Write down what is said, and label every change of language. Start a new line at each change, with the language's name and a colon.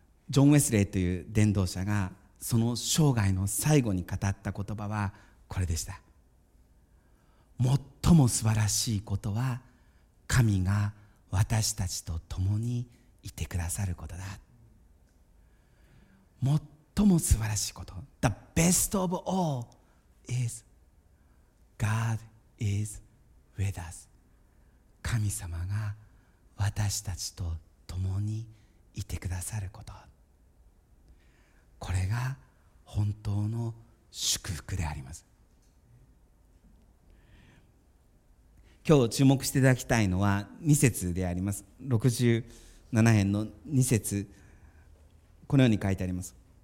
Japanese: ジョン・ウェスレーという伝道者がその生涯の最後に語った言葉はこれでした。最も素晴らしいことは神が私たちと共にいてくださることだ。最も素晴らしいこと、
English: The best of all is God is with us。
Japanese: 神様が私たちと共にいてくださること、これが本当の祝福であります。今日注目していただきたいのは2節であります。67編の2節、このように書いてあります。